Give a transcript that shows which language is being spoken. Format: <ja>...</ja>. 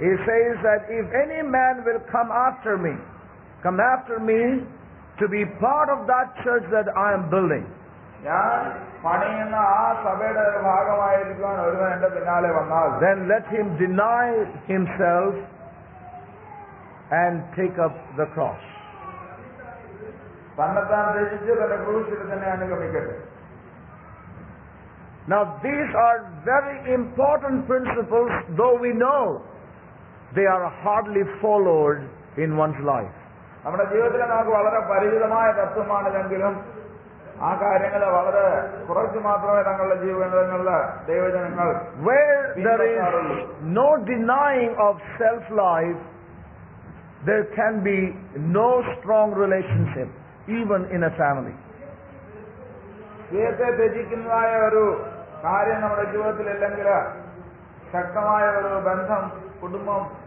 <en>He says that if any man will come after me to be part of that church that I am building,</en> <ml>പണിയുന്ന ആ സഭയുടെ ഒരു ഭാഗമായിരിക്കുവാൻ ഒരുവൻ എന്റെ പിന്നാലെ വന്നാൽ,</ml> <en>Then let him deny himself and take up the cross.</en> <ml>തന്നെത്താൻ രചിച്ച് തന്റെ ക്രൂശിൽ തന്നെ അനുഗമിക്കട്ടെ.</ml> <en>Now these are very important principles, though we know they are hardly followed in one's life.</en> <ml>നമ്മുടെ ജീവിതത്തിൽ നമുക്ക് വളരെ പരിചിതമായ തത്വമാണിതെങ്കിലും ആ കാര്യങ്ങൾ വളരെ കുറച്ച് മാത്രമേ തങ്ങളുടെ ജീവിതങ്ങളിലെ ദൈവജനങ്ങൾ.</ml> <en>Where there is no denying of self life, there can be no strong relationship even in a family.</en> <ml>ഏതെ ത്യജിക്കുന്നതായ ഒരു കാര്യം നമ്മുടെ ജീവിതത്തിൽ ഇല്ലെങ്കിൽ ശക്തമായ ഒരു ബന്ധം കുടുംബം</ml>